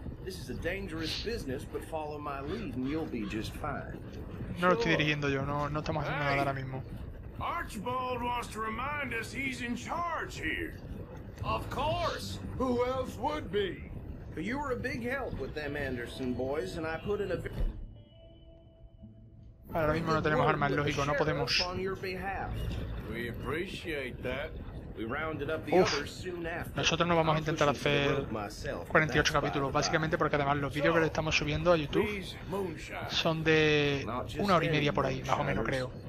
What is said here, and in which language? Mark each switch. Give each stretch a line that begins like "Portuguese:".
English: This is a dangerous business, but follow my lead and you'll be just fine.
Spanish: No lo estoy dirigiendo yo, no estamos haciendo nada ahora mismo.
English: Archibald wants to remind us he's in charge here. Of course. Who else would be? You were a big help with them Anderson boys, and I put in a...
Spanish: Ahora mismo no tenemos armas, lógico, no podemos.
English: We appreciate that. We rounded up the others soon after.
Spanish: Nosotros no vamos a intentar hacer 48 capítulos, básicamente porque además los vídeos que le estamos subiendo a YouTube son de una hora y media por ahí, más o menos, creo.